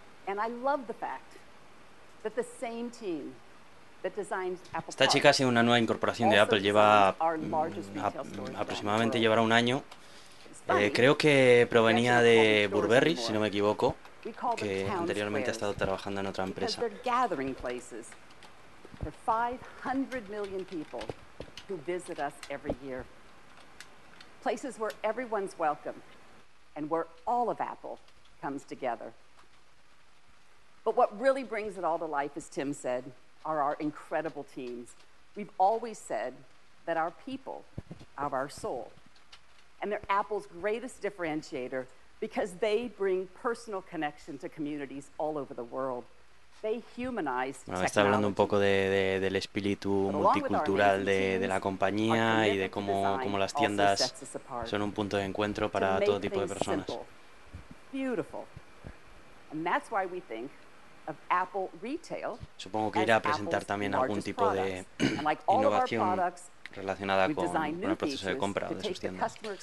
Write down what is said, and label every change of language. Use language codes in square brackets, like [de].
[en] And I love the fact that the same team that designs Apple. [es] Esta chica ha sido una nueva incorporación de Apple. Lleva aproximadamente llevará un año. Creo que provenía de Burberry, si no me equivoco, que anteriormente ha estado trabajando en otra empresa. [en] They're gathering places for 500 million people who visit us every year. Places where everyone's welcome and where all of Apple comes together. But what really brings it all to life, as Tim said, are our incredible teams. We've always said that our people are our soul. And they're Apple's greatest differentiator because they bring personal connection to communities all over the world. They humanize technology. [es] Bueno, está hablando un poco del espíritu multicultural de la compañía y de cómo las tiendas son un punto de encuentro para todo tipo de personas. [en] Beautiful. And that's why we think of Apple Retail. [es] Supongo que irá a presentar también algún tipo de innovación relacionada con el proceso de compra de sus tiendas.